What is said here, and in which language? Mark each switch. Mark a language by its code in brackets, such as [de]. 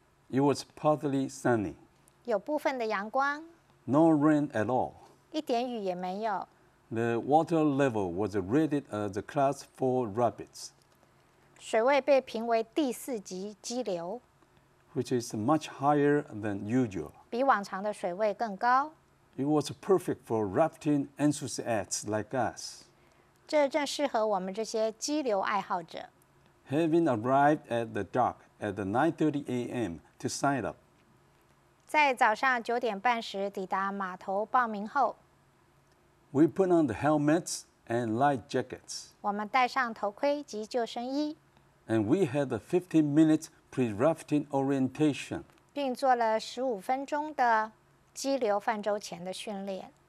[en] It was partly sunny. [zh] 有部分的阳光。 [en] No rain at all. [zh] 一点雨也没有。 [en] The water level was rated as a class 4 rapids. [zh] 水位被评为第四级激流。 [en] Which is much higher than usual. [zh] 比往常的水位更高。 [en] It was perfect for rafting enthusiasts like us. [zh] 这正适合我们这些激流爱好者。 [en] Having arrived at the dock at 9:30 a.m. to sign up. [zh] 在早上九点半时抵达码头报名后。 [en] We put on the helmets and life jackets. [zh] 我们戴上头盔及救生衣。 [en] And we had a 15-minute pre-rafting orientation. [zh] 并做了十五分钟的激流泛舟前的训练。